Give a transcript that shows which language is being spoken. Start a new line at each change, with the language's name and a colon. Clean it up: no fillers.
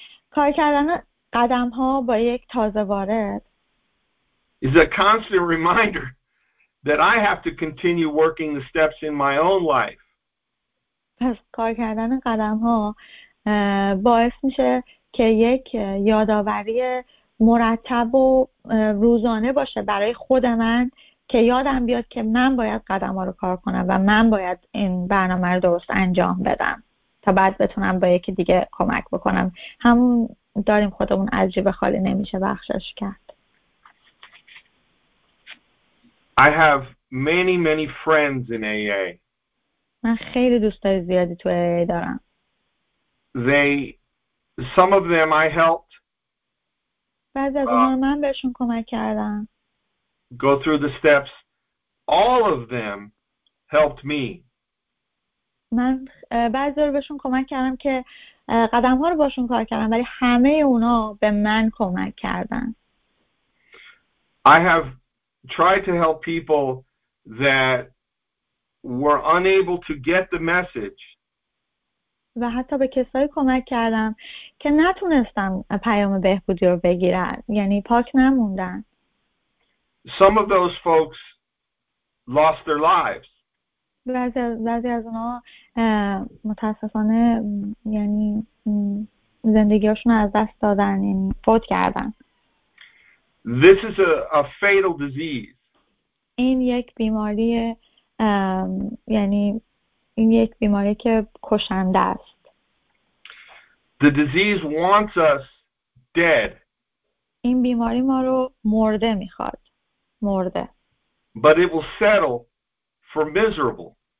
Persian: کار کردن قدم ها با یک تازه وارد
English: is a constant reminder that I have to continue working the steps in my own life.
Persian: پس کار کردن قدم ها باعث میشه که یک یاداوری مرتب و روزانه باشه برای خود من که یادم بیاد که من باید قدم ها رو کار کنم و من باید این برنامه رو درست انجام بدم تا بعد بتونم با یکی دیگه کمک بکنم. همون داریم خودمون از جیب خالی نمیشه بخشش کرد.
English: I have many many friends in AA.
Persian: من خیلی دوستای زیادی تو AA دارم.
English: Some of them I helped.
Persian: بعضی از اونها من بهشون کمک کردم.
English: Go through the steps. All of them helped me.
Persian: من بعضی رو بهشون کمک کردم که قدم ها رو باشون کار کردم، ولی همه اونا به من کمک کردن.
English: I have tried to help people that were unable to get the message.
Persian: و حتی به کسایی کمک کردم که نتونستم پیام بهبودی رو بگیرن، یعنی پاک نموندن.
English: Some of those folks lost their lives.
Persian: بعضی از اونها متاسفانه یعنی زندگیشون از دست دادن، فوت کردن.
English: This is a fatal disease.
Persian: این یک بیماری یعنی این یک بیماری که کشنده است.
English: The disease wants us dead.
Persian: این بیماری ما رو مرده میخواد. مرده.
English: But it will settle for miserable.